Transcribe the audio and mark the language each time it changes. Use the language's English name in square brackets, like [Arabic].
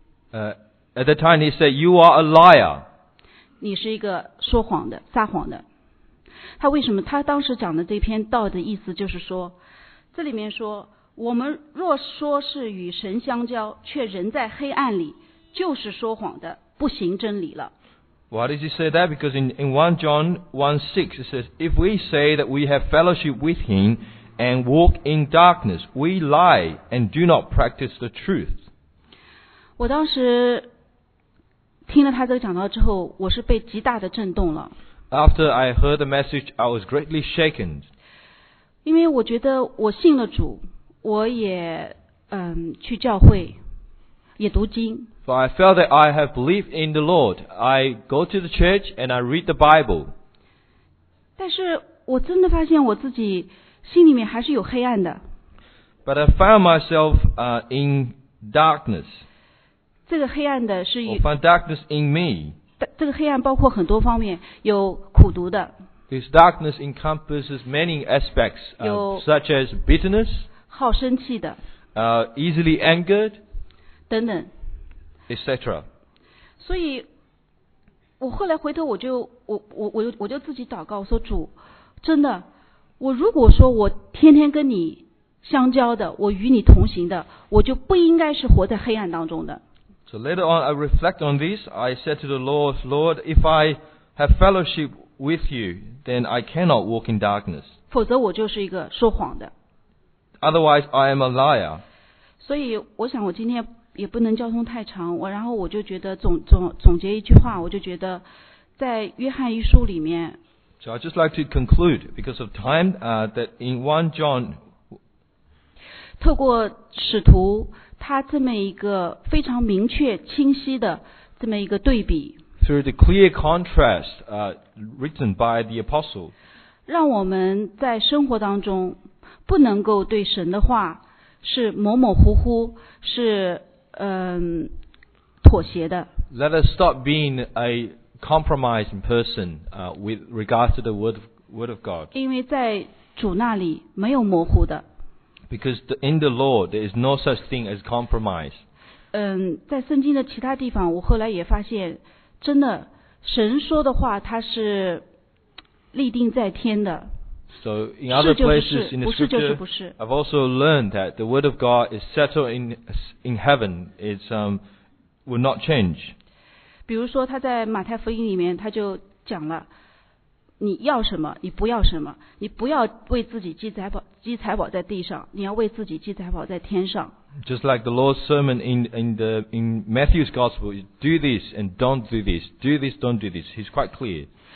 [English] At the time he said, "You are a liar." [Chinese] 你是一个说谎的、撒谎的。他为什么他当时讲的这篇道的意思就是说，这里面说我们若说是与神相交却人在黑暗里，就是说谎的，不行真理了。 [English] Why does he say that? Because in 1 John 1:6 it says, if we say that we have fellowship with him and walk in darkness, we lie and do not practice the truth. [Chinese] 我当时听了他这个讲道之后，我是被极大的震动了。 [English] After I heard the message, I was greatly shaken. [Chinese] 因为我觉得我信了主，我也去教会，也读经。 [English] For I felt that I have believed in the Lord. I go to the church and I read the Bible. [Chinese] 但是我真的发现我自己心里面还是有黑暗的。 [English] But I found myself in darkness. [Chinese] 这个黑暗的是 [English] 与 I found darkness in me. [Chinese] 这个黑暗包括很多方面，有苦毒的。 [English] This darkness encompasses many aspects, such as bitterness, [Chinese] 好生气的 [English] easily angered, [Chinese] 等等 [English] etc. [Chinese] 所以我后来回头我就自己祷告说，主，真的，我如果说我天天跟你相交的，我与你同行的，我就不应该是活在黑暗当中的。 [English] So later on, I reflect on this. I said to the Lord, Lord, if I have fellowship with you, then I cannot walk in darkness. [Chinese] 否则我就是一个说谎的。 [English] Otherwise, I am a liar. [Chinese] 所以我想我今天也不能交通太长，然后我就觉得总结一句话，我就觉得在约翰一书里面。 [English] So I'd just like to conclude, because of time, that in 1 John, [Chinese] 透过使徒他这么一个非常明确清晰的这么一个对比， [English] through the clear contrast, written by the apostle, [Chinese] 让我们在生活当中不能够对神的话是模模糊糊，是妥协的。 [English] Let us stop being a compromising person, with regards to the word of God. [Chinese] 因为在主那里没有模糊的。 [English] Because in the Lord there is no such thing as compromise. [Chinese] 在圣经的其他地方，我后来也发现，真的神说的话，它是立定在天的。 [English] So in other places in the scripture, [Chinese] 是就是不是。 [English] I've also learned that the word of God is settled in heaven. It's will not change. [Chinese] 比如说他在马太福音里面他就讲了，你要什么，你不要什么，你不要为自己积财宝在地上，你要为自己积财宝在天上。 [English] Just like the Lord's sermon in Matthew's gospel, do this and don't do this, do this, don't do this, he's quite clear.